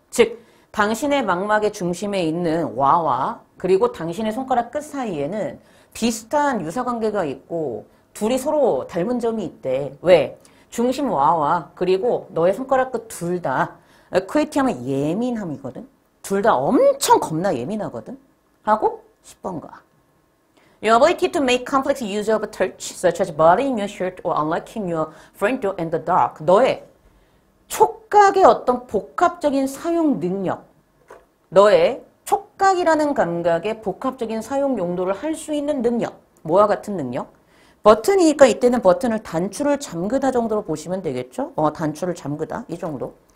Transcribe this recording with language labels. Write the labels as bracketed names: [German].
[Korean] 즉 당신의 망막의 중심에 있는 와와 그리고 당신의 손가락 끝 사이에는 비슷한 유사관계가 있고 둘이 서로 닮은 점이 있대. 왜? 중심 와와 그리고 너의 손가락 끝둘다 acuity하면 예민함이거든. 둘다 엄청 겁나 예민하거든. 하고 10번가. [English] Your ability to make complex use of touch, such as buttoning your shirt or unlocking your front door in the dark. [Korean] 너의 촉각의 어떤 복합적인 사용 능력. 너의 촉각이라는 감각의 복합적인 사용 용도를 할수 있는 능력. 뭐와 같은 능력? 버튼이니까 이때는 버튼을 단추를 잠그다 정도로 보시면 되겠죠? 단추를 잠그다. 이 정도.